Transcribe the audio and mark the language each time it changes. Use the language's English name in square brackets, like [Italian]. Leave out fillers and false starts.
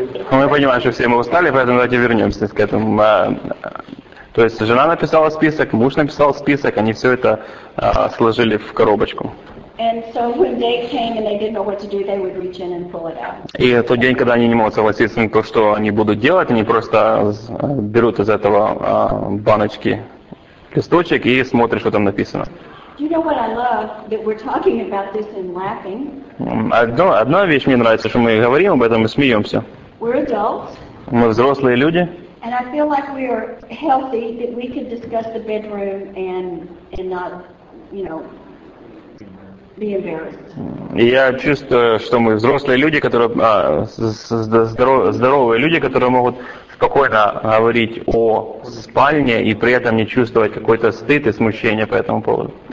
[Russian] Мы понимаем, что все мы устали, поэтому давайте вернемся к этому. То есть жена написала список, муж написал список, они все это сложили в коробочку. [English] And so when they came and they didn't know what to do, they would reach in and pull it out. [Russian] И тот день, когда они не могут согласиться на то, что они будут делать, они просто берут из этого баночки листочек и смотрят, что там написано. [English] You know what I love that we're talking about this and laughing. [Russian] Одна вещь мне нравится, что мы говорим об этом и смеемся. [English] We're adults. [Russian] Мы взрослые люди. [English] And I feel like we are healthy that we could discuss the bedroom and not, you know. [Russian] И я чувствую, что мы взрослые люди, которые здоровые люди, которые могут спокойно говорить о спальне и при этом не чувствовать какой-то стыд и смущение по этому поводу.